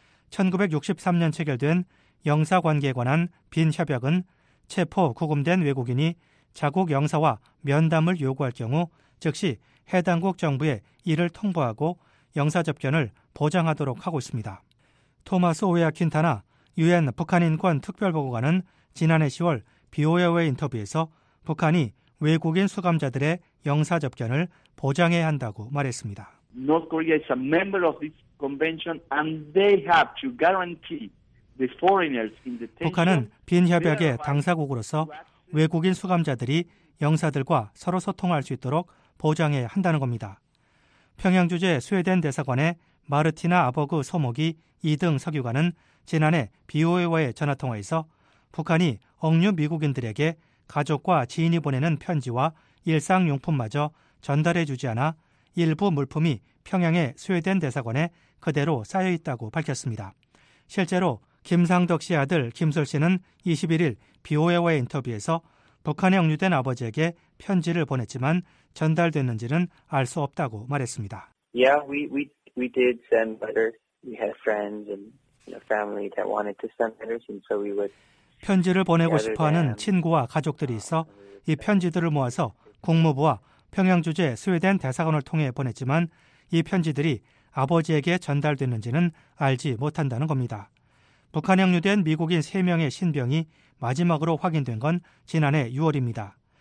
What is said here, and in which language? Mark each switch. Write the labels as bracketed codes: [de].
[ko] 1963년 체결된 영사 관계에 관한 빈 협약은 체포, 구금된 외국인이 자국 영사와 면담을 요구할 경우 즉시 해당국 정부에 이를 통보하고 영사 접견을 보장하도록 하고 있습니다. 토마스 오야 킨타나 유엔 북한인권특별보고관은 지난해 10월 BOA 인터뷰에서 북한이 외국인 수감자들의 영사 접견을 보장해야 한다고 말했습니다. [en] North Korea is a member of this convention and they have to guarantee the foreigners in detention. [ko] 북한은 빈 협약의 당사국으로서 외국인 수감자들이 영사들과 서로 소통할 수 있도록 보장해야 한다는 겁니다. 평양 주재 스웨덴 대사관의 마르티나 아버그 소목이 2등 석유관은 지난해 BOA와의 전화통화에서 북한이 억류 미국인들에게 가족과 지인이 보내는 편지와 일상용품마저 전달해 주지 않아 일부 물품이 평양의 스웨덴 대사관에 그대로 쌓여 있다고 밝혔습니다. 실제로 김상덕 씨 아들 김솔 씨는 21일 BOA와의 인터뷰에서 북한에 억류된 아버지에게 편지를 보냈지만 전달됐는지는 알 수 없다고 말했습니다. [en] Yeah, we did send letters. We had friends and family that wanted to send letters, and so we would. [ko] 편지를 보내고 싶어하는 친구와 가족들이 있어 이 편지들을 모아서 국무부와 평양 주재 스웨덴 대사관을 통해 보냈지만 이 편지들이 아버지에게 전달됐는지는 알지 못한다는 겁니다. 북한에 억류된 미국인 3명의 신병이 마지막으로 확인된 건 지난해 6월입니다.